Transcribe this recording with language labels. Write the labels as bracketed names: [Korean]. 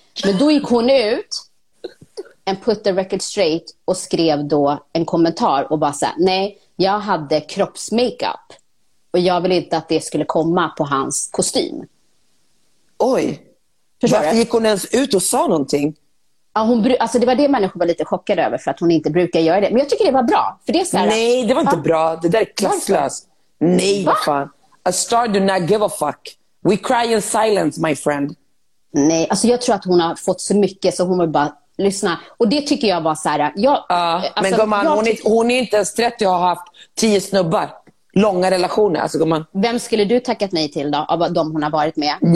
[Swedish] Men då gick hon ut [English] and put the record straight [Swedish] och skrev då en kommentar och bara såhär, nej, jag hade kroppsmakeup och jag vill inte att det skulle komma på hans kostym. Oj, förstår varför du? Gick hon ens ut och sa någonting? Ja, alltså det var det människor var lite chockade över, för att hon inte brukar göra det. Men jag tycker det var bra, för det är så här, nej, det var inte bra, det där är klasslöst. Nej, vad fan. [English] A star do not give a fuck. We cry in silence, my friend. [Swedish] Nej, alltså jag tror att hon har fått så mycket, så hon vill bara lyssna. Och det tycker jag var så här, men gumman, hon är inte ens 30 och har haft 10 snubbar. Långa relationer, alltså gumman. Vem skulle du tackat nej till då, av de hon har varit med?